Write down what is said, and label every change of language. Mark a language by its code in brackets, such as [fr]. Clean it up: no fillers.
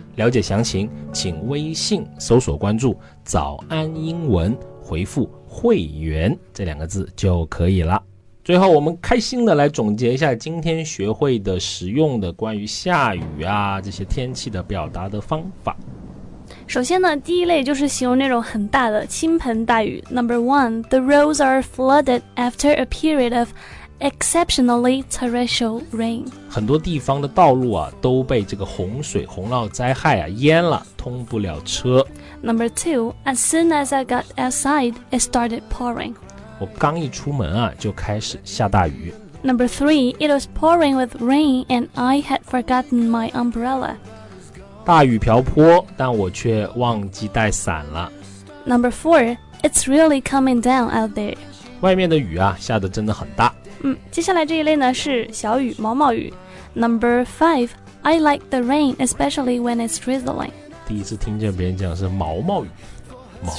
[zh] 了解详情，请微信搜索关注“早安英文”，回复会员这两个字就可以了。最后我们开心的来总结一下今天学会的实用的关于下雨啊这些天气的表达的方法。首先呢，第一类就是形容那种很大的倾盆大雨。 [en] Number one, the roads are flooded after a period of exceptionally torrential rain. [zh] 很多地方的道路啊都被这个洪水洪涝灾害啊淹了，通不了车。 [en] Number two, as soon as I got outside, it started pouring. [zh] 我刚一出门啊，就开始下大雨。 [en] Number three, it was pouring with rain and I had forgotten my umbrella. [zh] 大雨瓢泼，但我却忘记带伞了。 [en] Number four, it's really coming down out there. [zh] 外面的雨啊，下得真的很大。接下来这一类呢，是小雨，毛毛雨。 [en] Number five, I like the rain, especially when it's drizzling. [zh] 第一次听见别人讲是毛毛雨，毛毛雨